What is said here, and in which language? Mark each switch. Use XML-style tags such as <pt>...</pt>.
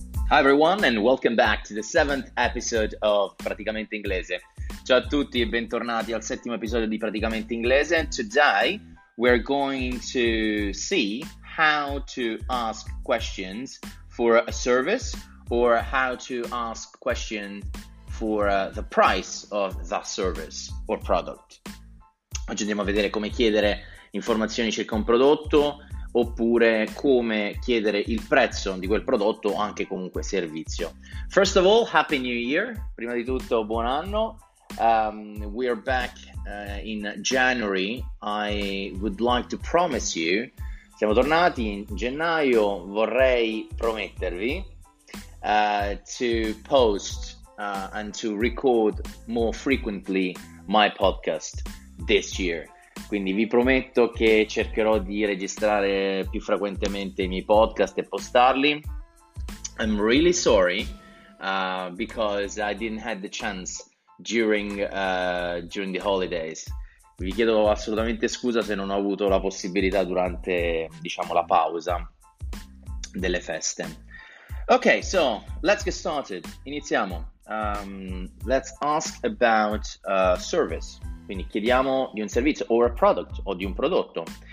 <en>Hi everyone and welcome back to the 7th episode of Praticamente Inglese.</en> <it>Ciao a tutti e bentornati al 7º episodio di Praticamente Inglese.</it> <en>Today we're going to see how to ask questions for a service or how to ask questions for the price of that service or product.</en> <it>Oggi andiamo a vedere come chiedere informazioni circa un prodotto oppure come chiedere il prezzo di quel prodotto o anche comunque servizio.</it> <en>First of all, Happy New Year!</en> <it>Prima di tutto, buon anno!</it> <en>We are back in January. I would like to promise you.</en> <it>Siamo tornati in gennaio. Vorrei promettervi</it> <en>to post and to record more frequently my podcast this year.</en> <it>Quindi vi prometto che cercherò di registrare più frequentemente i miei podcast e postarli.</it> <en>I'm really sorry because I didn't have the chance during the holidays.</en> <it>Vi chiedo assolutamente scusa se non ho avuto la possibilità durante, diciamo, la pausa delle feste.</it> <en>Ok, so let's get started.</en> <it>Iniziamo.</it> <en>Let's ask about service.</en> <it>Quindi chiediamo di un servizio</it> <en>or a product</en> <it>o di un prodotto.</it>